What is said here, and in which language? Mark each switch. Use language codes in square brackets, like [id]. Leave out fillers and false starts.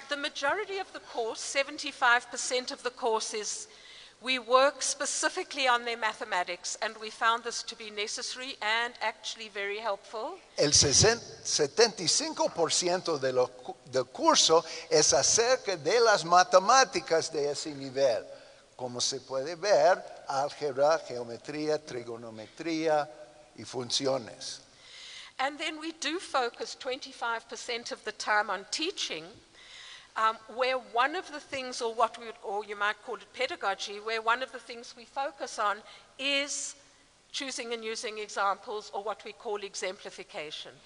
[en] The majority of the course, 75% of the course is, we work specifically on their mathematics, and we found this to be necessary and actually very helpful. [es] El 75% del curso es acerca de las matemáticas de ese nivel. Como se puede ver, álgebra, geometría, trigonometría y funciones. [en] And then we do focus 25% of the time on teaching, where one of the things, or what we would, or you might call it pedagogy, where one of the things we focus on is choosing and using examples, or what we call exemplification.